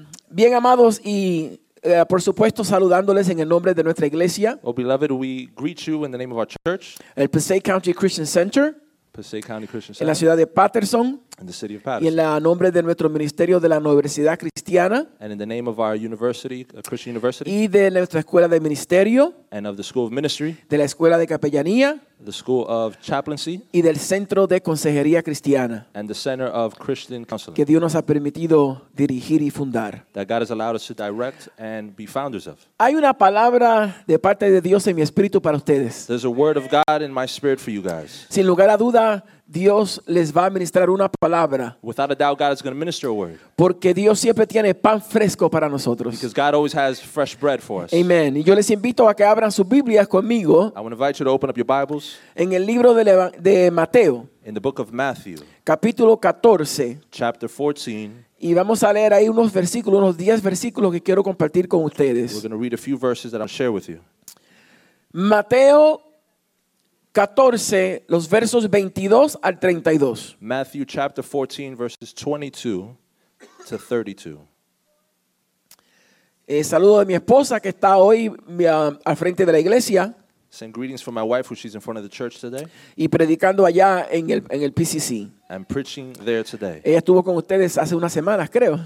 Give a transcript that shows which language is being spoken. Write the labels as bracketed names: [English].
[Spanish] Bien amados y por supuesto saludándoles en el nombre de nuestra iglesia. [English] Oh, beloved, we greet you in the name of our church. [Spanish] El Passaic County Christian Center. [English] Passaic County Christian Center. [Spanish] En la ciudad de Patterson. [English] In the city of Patterson. [Spanish] Y en el nombre de nuestro ministerio de la Universidad Cristiana. [English] And in the name of our university, a Christian university. [Spanish] Y de nuestra escuela de ministerio. [English] And of the school of ministry. [Spanish] De la escuela de capellanía. [English] The school of chaplaincy. [Spanish] Y del centro de consejería cristiana. [English] And the center of Christian counseling. [Spanish] Que Dios nos ha permitido dirigir y fundar. [English] That God has allowed us to direct and be founders of. [Spanish] Hay una palabra de parte de Dios en mi espíritu para ustedes. [English] There's a word of God in my spirit for you guys. [Spanish] Sin lugar a duda, Dios les va a ministrar una palabra. [English] Without a doubt, God is going to minister a word. [Spanish] Porque Dios siempre tiene pan fresco para nosotros. [English] Because God always has fresh bread for us. Amen. [Spanish] Y yo les invito a que abran sus Biblias conmigo. [English] I want to invite you to open up your Bibles. [Spanish] En el libro de Mateo. [English] In the book of Matthew. [Spanish] Capítulo 14. [English] Chapter 14. [Spanish] Y vamos a leer ahí unos versículos, unos 10 versículos que quiero compartir con ustedes. [English] We're going to read a few verses that I'll share with you. [Spanish] Mateo 14, los versos 22 al 32. [English] Matthew chapter 14, verses 22 to 32. [Spanish] Saludo de mi esposa que está hoy al frente de la iglesia. [English] Send greetings for my wife, who she's in front of the church today. [Spanish] Y predicando allá en el PCC. [English] I'm preaching there today. [Spanish] Ella estuvo con ustedes hace unas semanas, creo.